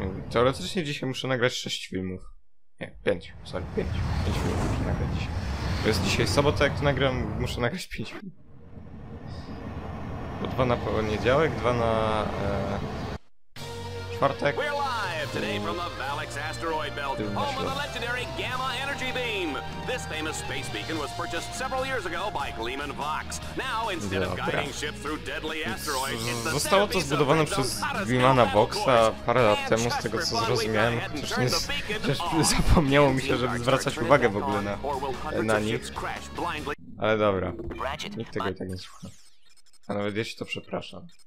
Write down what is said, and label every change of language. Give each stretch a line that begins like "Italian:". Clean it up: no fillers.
Polish: Teoretycznie dzisiaj muszę nagrać 6 filmów. Nie, 5. Sorry, 5. 5 filmów muszę nagrać dzisiaj. To jest dzisiaj sobota, jak to nagram, muszę nagrać 5 filmów. Bo 2 na poniedziałek, 2 na czwartek.
English: Today from the Valix asteroid belt, home of the legendary Gamma Energy Beam. This famous space beacon was purchased several years ago by Gleeman Vox. Now, instead of guiding ships through deadly asteroids,
Polish: zostało to zbudowane przez Gleemana Voxa parę lat temu, z tego co zrozumiałem. Chociaż zapomniało mi się, żeby zwracać uwagę w ogóle na nich. Ale dobra, nikt tego i tak nie słucha. A nawet jeśli to przepraszam.